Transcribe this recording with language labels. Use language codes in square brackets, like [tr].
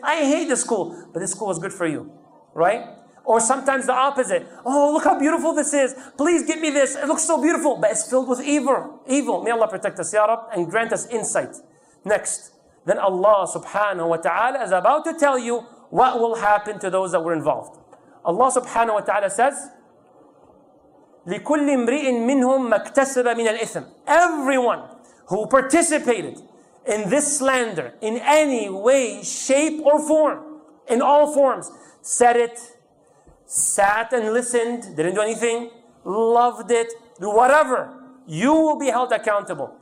[en] I hate this school. But this school is good for you, right? Or sometimes the opposite. Oh, look how beautiful this is. Please give me this. It looks so beautiful. But it's filled with evil. Evil. May Allah protect us, Ya Rab, and grant us insight. Next. Then Allah subhanahu wa ta'ala is about to tell you what will happen to those that were involved. Allah subhanahu wa ta'ala says, [ar] لِكُلِّ امْرِئٍ مِّنْهُمْ مَكْتَسَبَ مِنَ الْإِثْمِ. [en] Everyone who participated in this slander in any way, shape or form, in all forms, said it, sat and listened, didn't do anything, loved it, do whatever, you will be held accountable.